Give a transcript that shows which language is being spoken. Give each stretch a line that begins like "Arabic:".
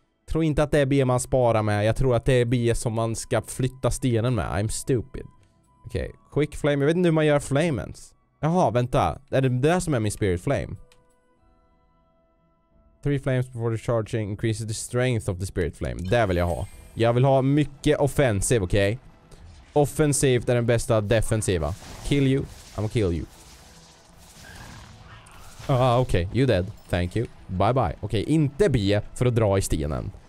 Swedish: Tror inte att det är B man sparar med. Jag tror att det är B som man ska flytta stenen med.
English: I'm stupid.
Swedish: Okej, okay.
English: Quick flame.
Swedish: Jag vet inte hur man gör flamens. Jaha, vänta. Är det där som är min spirit flame?
English: 3 flames before the charging increases the strength of the spirit flame.
Swedish: Det vill jag ha. Jag vill ha mycket offensiv, okej? Okay? Offensiv är den bästa defensiva.
English: Kill you, I'ma kill you. Okej, okay. You dead. Thank you. Bye bye. Okej, okay.
Swedish: Inte B för att dra i stenen.